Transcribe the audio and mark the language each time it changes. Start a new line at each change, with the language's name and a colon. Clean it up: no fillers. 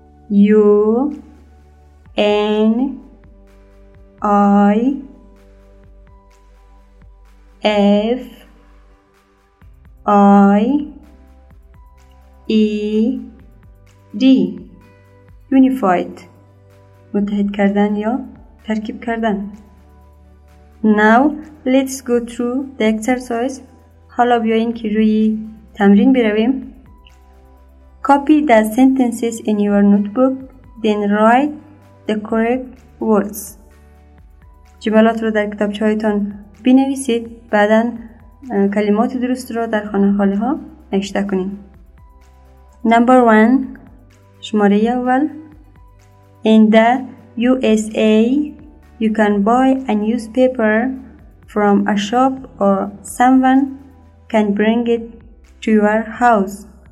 English: U N I F I E D unified
Persian: متحد کردن یا ترکیب کردن.
English: Now let's go through the exercise.
Persian: حالا بیاین که روی تمرین برویم.
English: Copy the sentences in your notebook, then write the correct words.
Persian: جملات رو در کتابچه‌هایتان بنویسید، بعداً کلمات درست رو در خانه خاله‌ها نوشته کنید.
English: Number 1
Persian: شماره اول.
English: In the USA, you can buy a newspaper from a shop or someone can bring it to your house.